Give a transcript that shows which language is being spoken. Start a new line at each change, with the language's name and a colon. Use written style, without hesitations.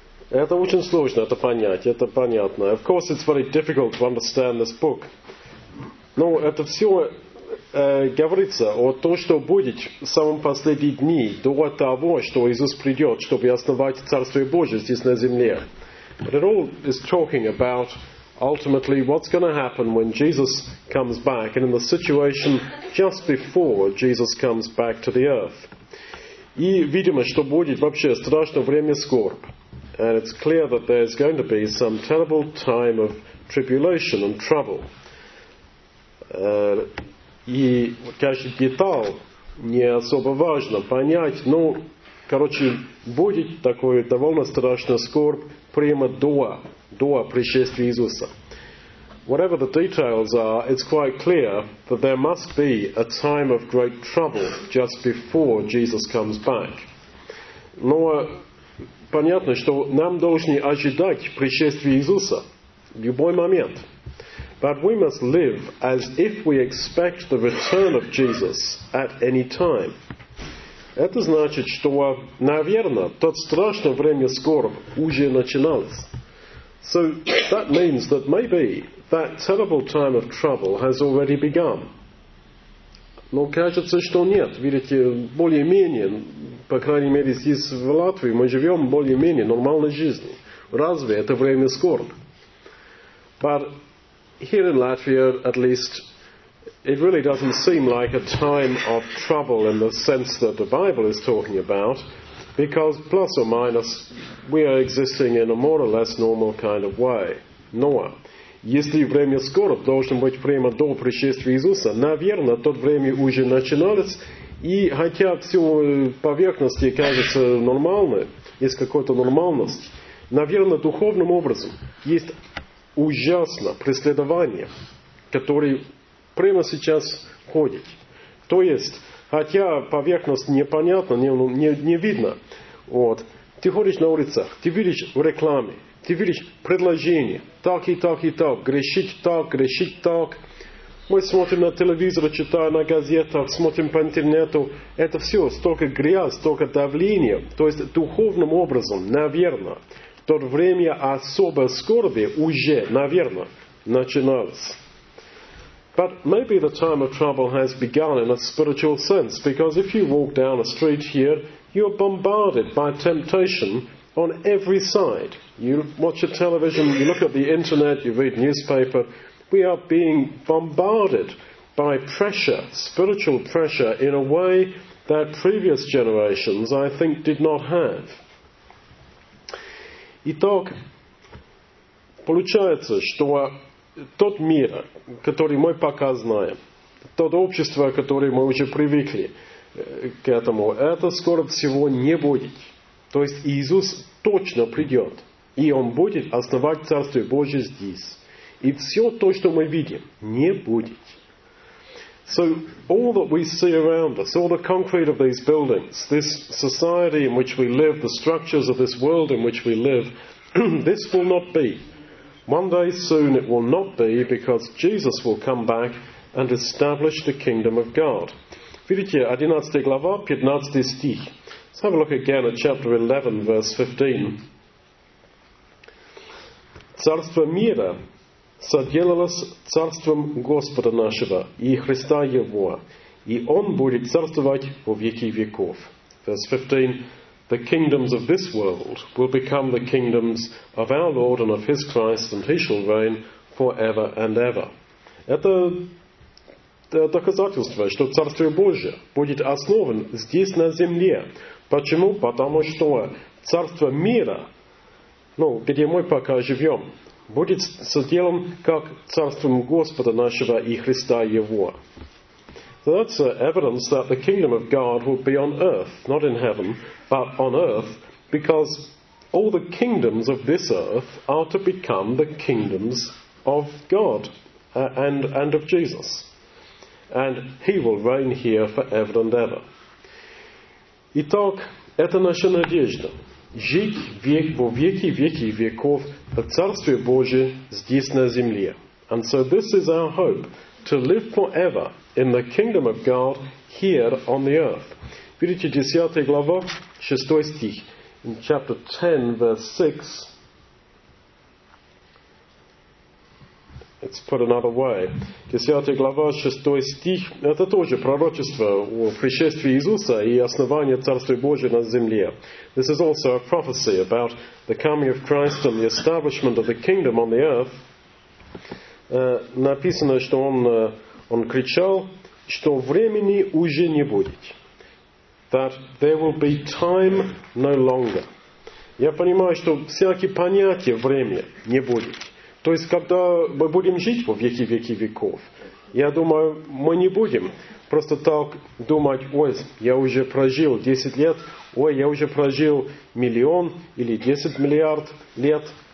Russian: Это очень сложно это понять, это понятно.
English: Of course, it's very difficult to understand this book.
Russian: Но это все говорится о том, что будет в самом последние дни, до того, что Иисус придет, чтобы основать Царствие Божие здесь на земле.
English: But it all is talking about ultimately what's going to happen when Jesus comes back and in the situation just before Jesus comes back to the earth.
Russian: И видимо, что будет вообще страшное время скорб.
English: And it's clear that there's going to be some terrible time of tribulation and trouble.
Russian: И, конечно, деталь не особо важно понять, но, короче, будет такой довольно страшный скорб прямо до пришествия Иисуса.
English: Whatever the details are, it's quite clear that there must be a time of great trouble just before Jesus comes back.
Russian: Но понятно, что нам должны ожидать пришествия Иисуса в любой момент.
English: But we must live as if we expect the return of Jesus at any time.
Russian: Это значит, что, наверное, тот страшное время скорб уже начиналось.
English: So that means that maybe that terrible time of trouble has already begun.
Russian: Но кажется, что нет. Видите, более-менее, по крайней мере, здесь в Латвии мы живем более-менее нормальной жизнью. Разве это время скорб?
English: But here in Latvia, at least, it really doesn't seem like a time of trouble in the sense that the Bible is talking about, because plus or minus, we are existing in a more or less normal kind of way.
Russian: Но если время скорб должно быть прямо до пришествия Иисуса, наверное, то время уже начиналось, и хотя все поверхности кажется нормальным, есть какая-то нормальность, наверное, духовным образом есть ужасно преследование, которое прямо сейчас ходит. То есть, хотя поверхность непонятна, не видно, вот, ты ходишь на улицах, ты видишь в рекламе, ты видишь предложение, так и так и так, грешить так, грешить так. Мы смотрим на телевизор, читаем на газетах, смотрим по интернету. Это все, столько грязь, столько давления. То есть, духовным образом, наверное, то время особой скорби уже, наверное, начиналось.
English: But maybe the time of trouble has begun in a spiritual sense, because if you walk down a street here, you're bombarded by temptation on every side. You watch your television, you look at the internet, you read newspaper. We are being bombarded by pressure, spiritual pressure, in a way that previous generations, I think, did not have.
Russian: Итак, получается, что тот мир, который мы пока знаем, то общество, которое мы уже привыкли к этому, это скоро всего не будет. То есть Иисус точно придет, и Он будет основать Царствие Божие здесь. И все то, что мы видим, не будет.
English: So all that we see around us, all the concrete of these buildings, this society in which we live, the structures of this world in which we live, this will not be. One day soon it will not be, because Jesus will come back and establish the kingdom of God.
Russian: Видите, 11 глава, 15 стих.
English: Let's have a look again at chapter 11, verse 15.
Russian: Царство мира соделалось царством Господа нашего и Христа Его, и Он будет царствовать во веки веков.
English: Verse 15. The kingdoms of this world will become the kingdoms of our Lord and of His Christ, and He shall reign forever and ever.
Russian: Это доказательство, что Царствие Божие будет основано здесь, на земле. Почему? Потому что Царство мира, ну, где мы пока живем, будет соделан как царством Господа нашего и Христа Его.
English: So that's evidence that the kingdom of God will be on earth, not in heaven, but on earth, because all the kingdoms of this earth are to become the kingdoms of God and of Jesus. And He will reign here forever and ever.
Russian: Итак, это наша надежда. Жить век, во веки, веки, веков в Царстве Божьем здесь на земле.
English: And so this is our hope, to live forever in the kingdom of God here on the earth.
Russian: Видите, 10 глава, 6 стих.
English: In chapter 10, verse 6. Let's put another way.
Russian: 10 глава, 6 стих. Это тоже пророчество о пришествии Иисуса и основании Царства Божьего на земле.
English: This is also a prophecy about the coming of Christ and the establishment of the kingdom on the earth.
Russian: Написано, что он кричал, что времени уже не будет.
English: That there will be time no longer.
Russian: Я понимаю, что всякие понятия время не будет. То есть, когда мы будем жить во веки, веки, веков, я думаю, мы не будем просто так думать, ой, я уже прожил 10 лет, ой, я уже прожил миллион или 10 миллиард лет.